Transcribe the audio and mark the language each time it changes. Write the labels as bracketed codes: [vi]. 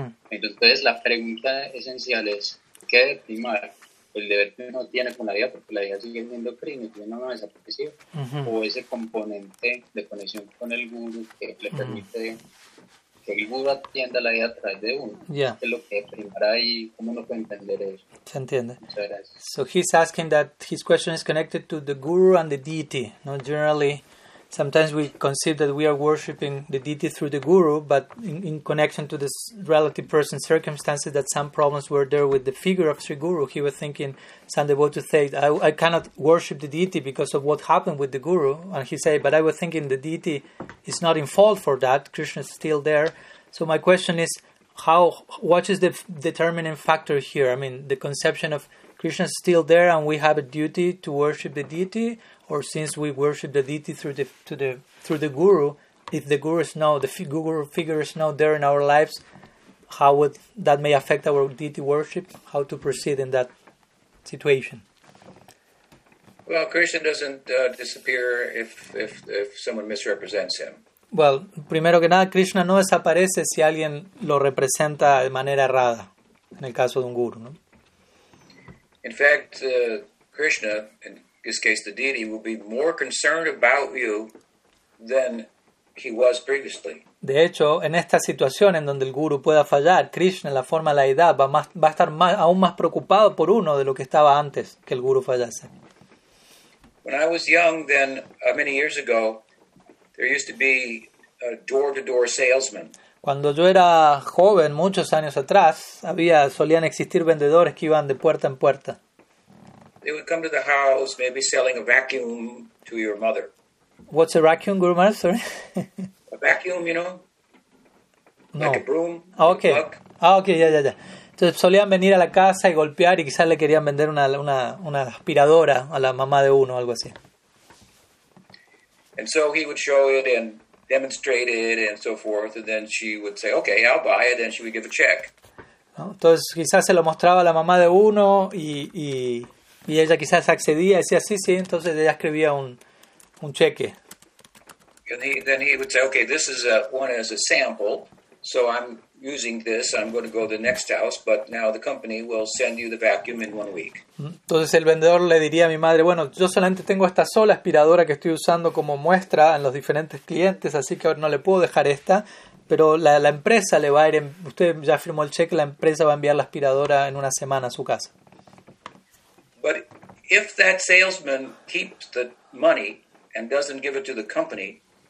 [es] Entonces, la pregunta esencial es, ¿qué de primar? El deber que uno tiene con la vida, porque la vida sigue siendo crimen, tiene una desaparición, uh-huh, o ese componente de conexión con el guru que le permite, uh-huh, que el guru atienda la vida a través de uno. [en] Yeah. [es] ¿Qué es lo que primará y cómo uno puede entender eso? Se entiende. Muchas gracias. [en] So he's asking that his question is connected to the guru and the deity. Now, generally, sometimes we conceive that we are worshipping the deity through the guru, but in connection to this relative person circumstances, that some problems were there with the figure of Sri Guru. He was thinking, some devotee said, I cannot worship the deity because of what happened with the guru. And he said, but I was thinking the deity is not in fault for that. Krishna is still there. So my question is, what is the determining factor here? I mean, the conception of Krishna is still there and we have a duty to worship the deity, or since we worship the deity through the guru, if the guru is now, the guru figure is now there in our lives, how would that may affect our deity worship? How to proceed in that situation? Well, Krishna doesn't disappear if someone misrepresents him. [es] Well, primero que nada, Krishna no desaparece si alguien lo representa de manera errada, en el caso de un guru, ¿no? [en] In fact, Krishna, in this case the deity, will be more concerned about you than he was previously. [es] De hecho, en esta situación en donde el guru pueda fallar, Krishna, en la forma de la deidad, va a estar aún más preocupado por uno de lo que estaba antes que el guru fallase. [en] When I was young, then, many years ago, there used to be a door-to-door salesman. [es] Cuando yo era joven, muchos años atrás, solían existir vendedores que iban de puerta en puerta. [en] They would come to the house, maybe selling a vacuum to your mother. What's a vacuum, Guru Maharaj? Sorry. A vacuum, you know? No. Like a broom. Okay. Okay. [es] Entonces solían venir a la casa y golpear y quizás le querían vender una aspiradora a la mamá de uno o algo así. [en] And so he would show it and demonstrate it and so forth, and then she would say, okay, I'll buy it, and she would give a check. [es] Entonces quizás se lo mostraba a la mamá de uno y ella quizás accedía, decía, sí, entonces ella escribía un cheque. [en] And then he would say, okay, this is one as a sample, so I'm using this, I'm going to go to the next house, but now the company will send you the vacuum in 1 week. [es] Entonces el vendedor le diría a mi madre, bueno, yo solamente tengo esta sola aspiradora que estoy usando como muestra en los diferentes clientes, así que no le puedo dejar esta, pero la empresa le va a ir, usted ya firmó el cheque, la empresa va a enviar la aspiradora en una semana a su casa. [en] But if that salesman keeps the money and doesn't give it to the company,